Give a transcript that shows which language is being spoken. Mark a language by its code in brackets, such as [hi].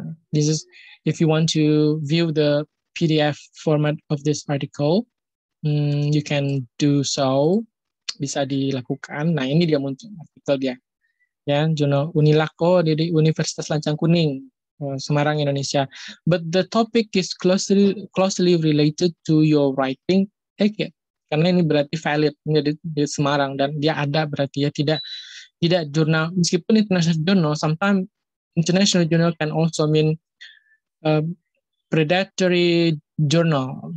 [en] This is if you want to view the PDF format of this article, you can do so. [id] Bisa dilakukan. Nah, ini dia muncul artikel dia. Ya, Journal Unilako dari Universitas Lancang Kuning, Semarang, Indonesia. [en] But the topic is closely related to your writing. Take it. [id] Karena ini berarti valid, jadi di Semarang dan dia ada berarti ya tidak jurnal, meskipun international journal, [en] sometimes international journal can also mean predatory journal.